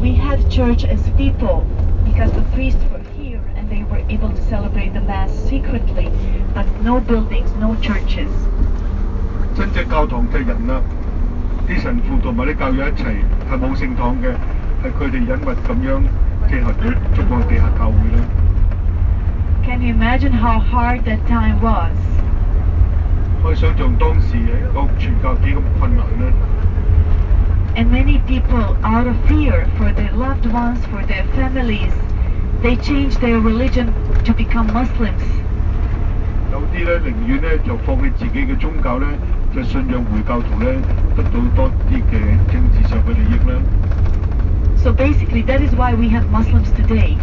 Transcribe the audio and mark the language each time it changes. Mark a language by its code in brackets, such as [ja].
[en] We had church as people because the priests were here and they were able to celebrate the mass secretly, but no buildings, no churches. The real church people, the priests and the teachers together, are not a church. [yue] 係佢哋隱密咁樣，即係逐個地下教會啦。 [en] Can you imagine how hard that time was？ [yue] 可以想像當時個傳教幾咁困難咧。 [en] And many people, out of fear for their loved ones, for their families, they changed their religion to become Muslims。 [yue] 有啲咧寧願咧就放棄自己嘅宗教咧，就信仰回教徒咧，得到多啲嘅政治上嘅利益咧。 [en] So basically, that is why we have Muslims today.